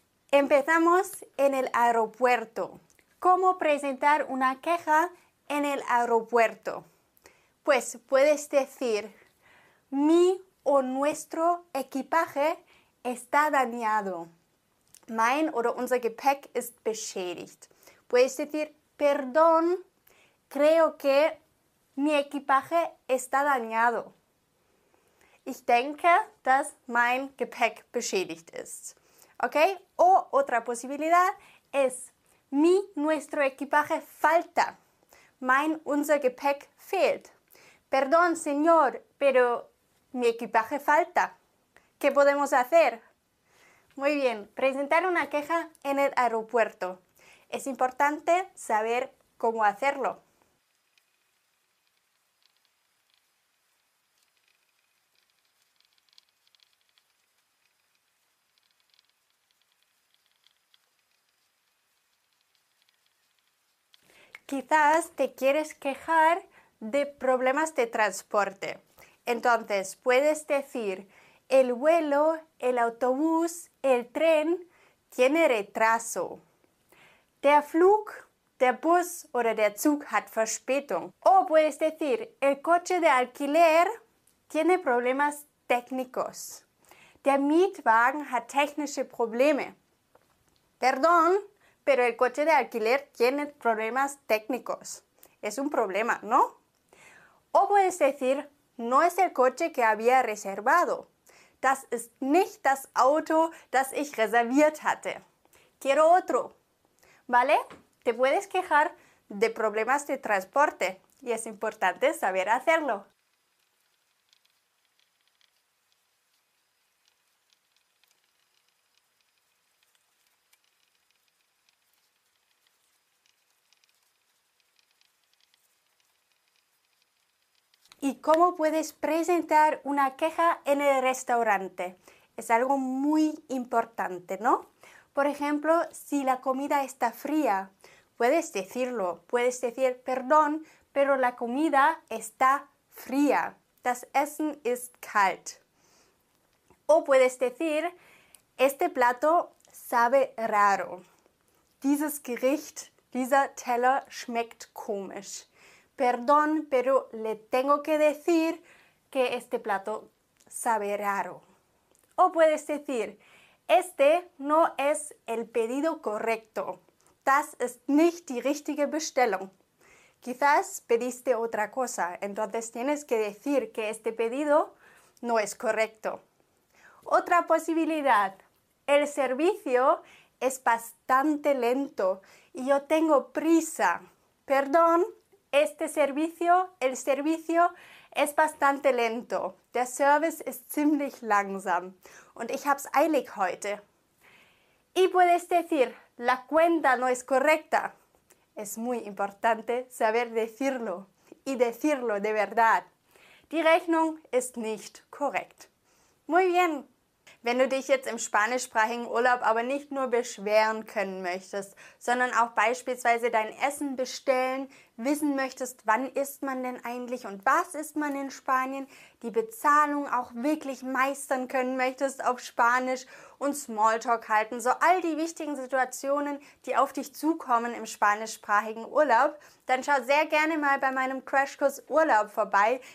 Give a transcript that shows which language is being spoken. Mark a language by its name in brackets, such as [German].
[Spanish] Empezamos en el aeropuerto. ¿Cómo presentar una queja en el aeropuerto? Pues puedes decir, mi o nuestro equipaje está dañado. [German] Mein oder unser Gepäck ist beschädigt. [Spanish] Puedes decir, perdón, creo que mi equipaje está dañado. [German] Ich denke, dass mein Gepäck beschädigt ist. [Spanish] Okay, o otra posibilidad es mi nuestro equipaje falta. [German] Mein unser Gepäck fehlt. [Spanish] Perdón, señor, pero mi equipaje falta. ¿Qué podemos hacer? Muy bien, presentar una queja en el aeropuerto. Es importante saber cómo hacerlo. Quizás te quieres quejar de problemas de transporte. Entonces, puedes decir, el vuelo, el autobús, el tren tiene retraso. [German] Der Flug, der Bus oder der Zug hat Verspätung. [Spanish] O puedes decir, el coche de alquiler tiene problemas técnicos. [German] Der Mietwagen hat technische Probleme. [Spanish] Perdón. Pero el coche de alquiler tiene problemas técnicos. Es un problema, ¿no? O puedes decir, no es el coche que había reservado. [German] Das ist nicht das Auto, das ich reserviert hatte. [Spanish] Quiero otro. ¿Vale? Te puedes quejar de problemas de transporte. Y es importante saber hacerlo. ¿Y cómo puedes presentar una queja en el restaurante? Es algo muy importante, ¿no? Por ejemplo, si la comida está fría, puedes decirlo. Puedes decir, perdón, pero la comida está fría. [German] Das Essen ist kalt. [Spanish] O puedes decir, este plato sabe raro. [German] Dieses Gericht, dieser Teller schmeckt komisch. [Spanish] Perdón, pero le tengo que decir que este plato sabe raro. O puedes decir, este no es el pedido correcto. [German] Das ist nicht die richtige Bestellung. [Spanish] Quizás pediste otra cosa, entonces tienes que decir que este pedido no es correcto. Otra posibilidad, el servicio es bastante lento y yo tengo prisa. Perdón, el servicio es bastante lento. [German] Der Service ist ziemlich langsam und ich hab's eilig heute. [Spanish] Y puedes decir, la cuenta no es correcta. Es muy importante saber decirlo y decirlo de verdad. [German] Die Rechnung ist nicht korrekt. [Spanish] Muy bien. [German] Wenn du dich jetzt im spanischsprachigen Urlaub aber nicht nur beschweren können möchtest, sondern auch beispielsweise dein Essen bestellen, wissen möchtest, wann isst man denn eigentlich und was isst man in Spanien, die Bezahlung auch wirklich meistern können möchtest auf Spanisch und Smalltalk halten, so all die wichtigen Situationen, die auf dich zukommen im spanischsprachigen Urlaub, dann schau sehr gerne mal bei meinem Crashkurs Urlaub vorbei.